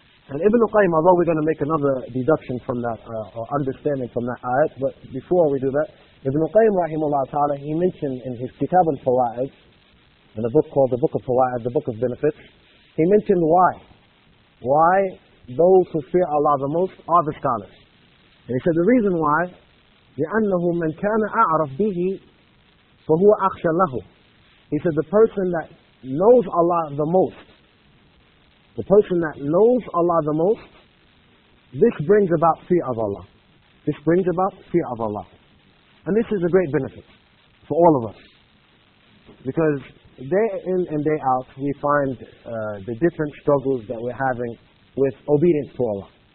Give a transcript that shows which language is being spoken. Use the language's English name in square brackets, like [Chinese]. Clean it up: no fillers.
[English] And Ibn Qayyim, although we're going to make another deduction from that, or understanding from that ayat, but before we do that, Ibn Qayyim rahimahullah ta'ala, he mentioned in his Kitab al-Fawa'id, in a book called the Book of Fawa'id, the Book of Benefits, he mentioned why those who fear Allah the most are the scholars. And he said the reason why, [Arabic] لِأَنَّهُ مَنْ كَانَ أَعْرَفْ بِهِ فَهُوَ أَخْشَ لَهُ. [English] He said the person that knows Allah the most, the person that knows Allah the most, this brings about fear of Allah. This brings about fear of Allah. And this is a great benefit for all of us. Because day in and day out, we find the different struggles that we're having with obedience to Allah.